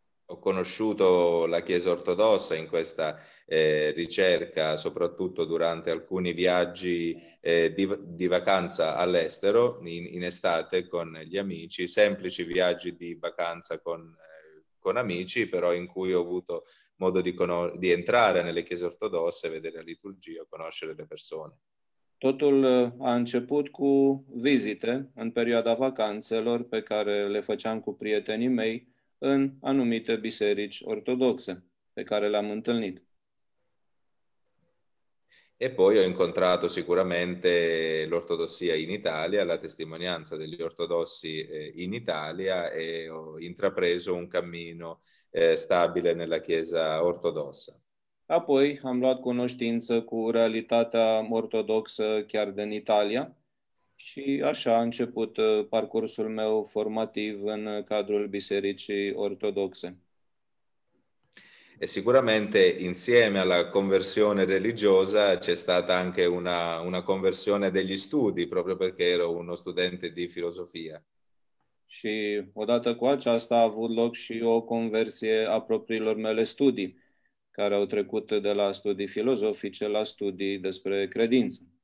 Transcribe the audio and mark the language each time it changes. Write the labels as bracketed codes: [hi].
[it] Ho conosciuto la Chiesa Ortodossa in questa ricerca, soprattutto durante alcuni viaggi di vacanza all'estero, in estate con gli amici, semplici viaggi di vacanza con amici, però in cui ho avuto modo di entrare nelle Chiese Ortodosse, vedere la liturgia, conoscere le persone. [ro] Totul a început cu vizite în perioada vacanțelor pe care le făceam cu prietenii mei în anumite biserici ortodoxe pe care le-am întâlnit. [it] E poi ho incontrato sicuramente l'ortodossia in Italia, la testimonianza degli ortodossi in Italia e ho intrapreso un cammino stabile nella Chiesa ortodossa. [ro] Apoi am luat cunoștință cu realitatea ortodoxă chiar din Italia și așa a început parcursul meu formativ în cadrul Bisericii Ortodoxe. [it] E sicuramente insieme alla conversione religiosa c'è stata anche una conversione degli studi, proprio perché ero uno studente di filosofia. [ro] Și odată cu aceasta a avut loc și o conversie a propriilor mele studii, care au trecut de la studii filozofice la studii despre credință.